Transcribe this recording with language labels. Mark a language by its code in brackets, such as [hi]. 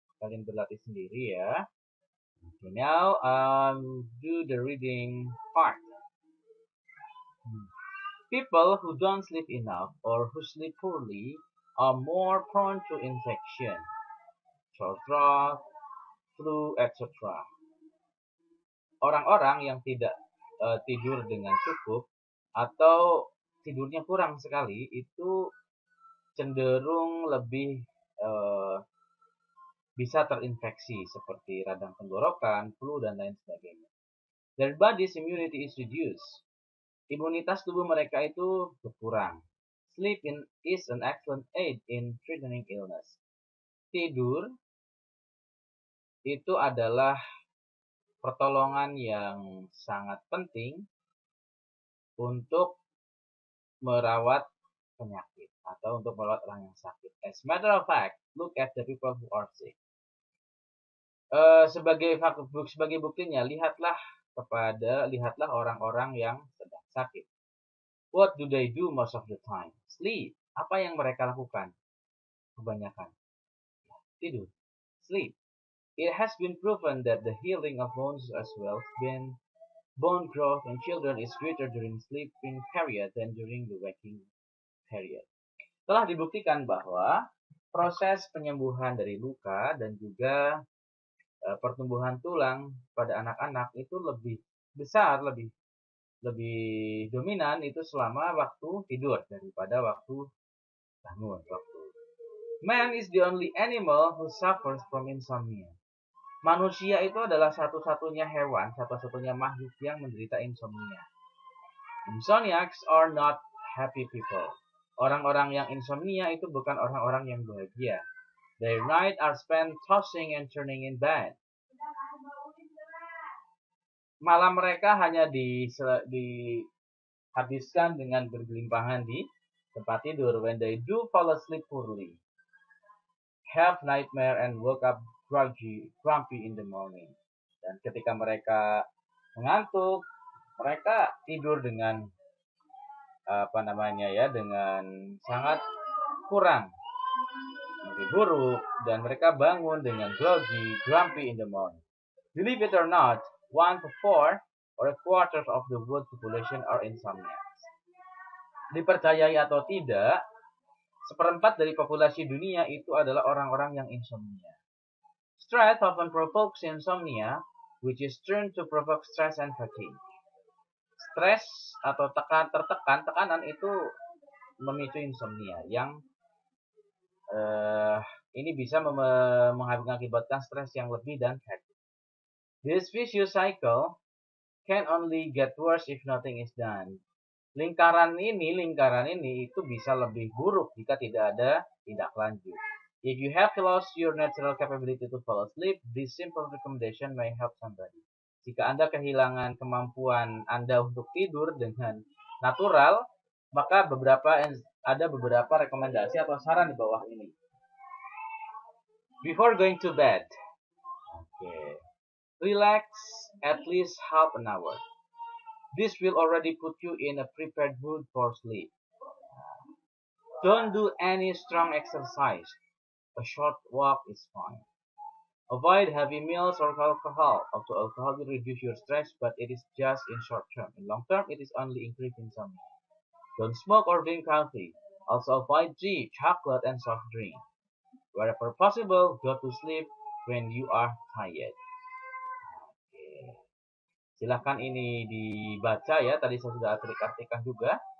[id] Kalian berlatih sendiri ya. [en] Okay, now do the reading part. People who don't sleep enough or who sleep poorly are more prone to infection, sore throat, flu, etc. [id] Orang-orang yang tidak tidur dengan cukup atau tidurnya kurang sekali itu cenderung lebih bisa terinfeksi seperti radang tenggorokan, flu, dan lain sebagainya. [en] Their body's immunity is reduced. [id] Imunitas tubuh mereka itu berkurang. [en] Sleep is an excellent aid in treating illness. [id] Tidur itu adalah pertolongan yang sangat penting untuk merawat penyakit atau untuk merawat orang yang sakit. [en] As a matter of fact, look at the people who are sick. [id] Sebagai buktinya, lihatlah orang-orang yang sedang sakit. [en] What do they do most of the time? Sleep. [id] Apa yang mereka lakukan? Kebanyakan. Tidur. Sleep. [en] It has been proven that the healing of wounds as well as been bone growth in children is greater during sleeping period than during the waking period. [id] Telah dibuktikan bahwa proses penyembuhan dari luka dan juga pertumbuhan tulang pada anak-anak itu lebih besar, lebih dominan itu selama waktu tidur daripada waktu bangun. [en] Man is the only animal who suffers from insomnia. [id] Manusia itu adalah satu-satunya hewan, satu-satunya makhluk yang menderita insomnia. [en] Insomniacs are not happy people. [id] Orang-orang yang insomnia itu bukan orang-orang yang bahagia. [en] Their nights are spent tossing and turning in bed. [id] Malam mereka hanya dihabiskan dengan bergelimpangan di tempat tidur. [en] When they do fall asleep poorly, have nightmare and woke up groggy, grumpy in the morning. [id] Dan ketika mereka mengantuk, mereka tidur dengan apa namanya ya, dengan sangat kurang, mimpi buruk, dan mereka bangun dengan [en] groggy, grumpy in the morning. Believe it or not, 1/4 or a quarter of the world population are insomniacs. [id] Dipercayai atau tidak, 1/4 dari populasi dunia itu adalah orang-orang yang insomnia. [en] Stress often provokes insomnia, which is turned to provoke stress and fatigue. [id] Stress atau tekanan itu memicu insomnia yang ini bisa mengakibatkan stres yang lebih dan fatigue. [en] This vicious cycle can only get worse if nothing is done. [id] Lingkaran ini itu bisa lebih buruk jika tidak ada tindak lanjut. [en] If you have lost your natural capability to fall asleep, this simple recommendation may help somebody. [id] Jika Anda kehilangan kemampuan Anda untuk tidur dengan natural, maka ada beberapa rekomendasi atau saran di bawah ini. [en] Before going to bed, relax at least half an hour. This will already put you in a prepared mood for sleep. Don't do any strong exercise. A short walk is fine. Avoid heavy meals or alcohol. Although alcohol will reduce your stress, but it is just in short term. In long term, it is only increasing some. Don't smoke or drink coffee. Also avoid tea, chocolate, and soft drink. Wherever possible, go to sleep when you are tired. [id] Silahkan ini dibaca ya, tadi saya sudah artikan juga.